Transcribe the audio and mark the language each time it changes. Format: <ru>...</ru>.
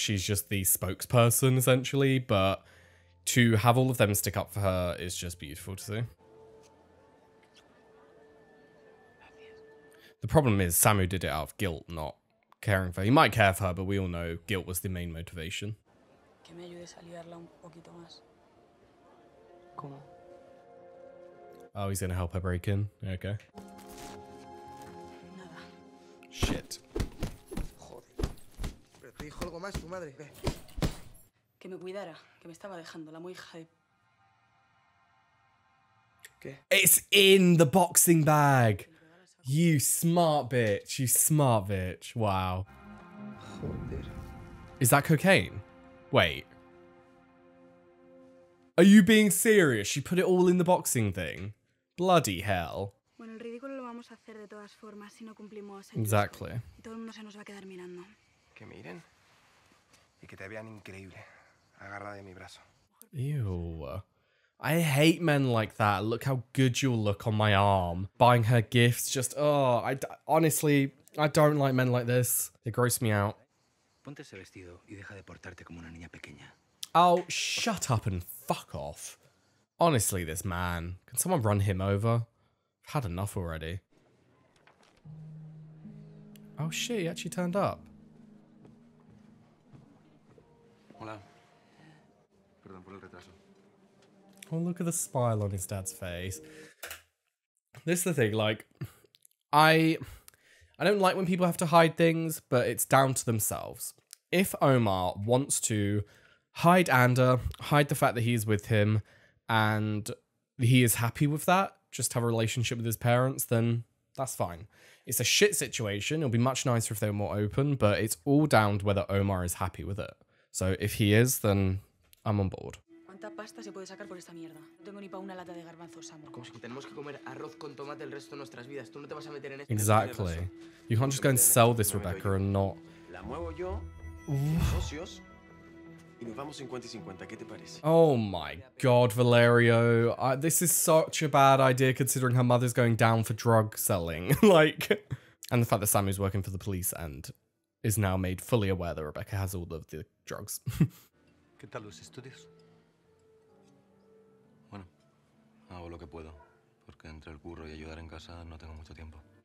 <en>She's just the spokesperson, essentially. But to have all of them stick up for her is just beautiful to see. The problem is Samu did it out of guilt, not caring for her. He might care for her, but we all know guilt was the main motivation.</en> <es>Que me ayudes a liarla un poquito más. ¿Cómo?</es> <en>Oh, he's gonna help her break in. Okay.</en> <es>Nada.</es> <en>Shit.</en> <es>Joder. Pero te dijo algo más tu madre. Ve. Que me cuidara, que me estaba dejando la muy hija de... ¿Qué? ¿Qué?</es> <en>It's in the boxing bag. You smart bitch. You smart bitch. Wow.</en> <es>Joder.</es> <en>Is that cocaine? Wait. Are you being serious? She put it all in the boxing thing. Bloody hell.</en> <es>Bueno, el ridículo lo vamos a hacer de todas formas si no cumplimos.</es> <en>Exactly.</en> <es>Y todo el mundo se nos va a quedar mirando. Que miren. Y que te vean increíble. Agarra de mi brazo.</es> <en>Ew. I hate men like that. Look how good you'll look on my arm. Buying her gifts, just, oh, honestly, I don't like men like this. They gross me out.</en> <es>Ponte ese vestido y deja de portarte como una niña pequeña.</es> <en>Oh, shut up and fuck off. Honestly, this man. Can someone run him over? I've had enough already. Oh shit, he actually turned up.</en> <es>Hola. Perdón por el retraso.</es> <en>Oh, look at the smile on his dad's face. This is the thing, like, I don't like when people have to hide things, but it's down to themselves. If Omar wants to hide Ander, hide the fact that he is with him, and he is happy with that, just have a relationship with his parents, then that's fine. It's a shit situation. It'll be much nicer if they were more open, but it's all down to whether Omar is happy with it. So if he is, then I'm on board.</en> <es>Pasta se puede sacar por esta mierda. No tengo ni pa una lata de garbanzos, amor. Como si tenemos que comer arroz con tomate el resto de nuestras vidas. Tú no te vas a meter en esto.</es> <en>Exactly. You can't just go and sell this, Rebecca, and not.</en> <es>La muevo yo. Socios. Y nos vamos 50-50. ¿Qué te parece?</es> <en>Oh my God, Valerio. This is such a bad idea considering her mother's going down for drug selling. Like, and the fact that Samu's working for the police and is now made fully aware that Rebecca has all of the drugs.</en> <es>¿Qué tal los estudios? Hago lo que puedo, porque entre el curro y ayudar en casa no tengo mucho tiempo.</es>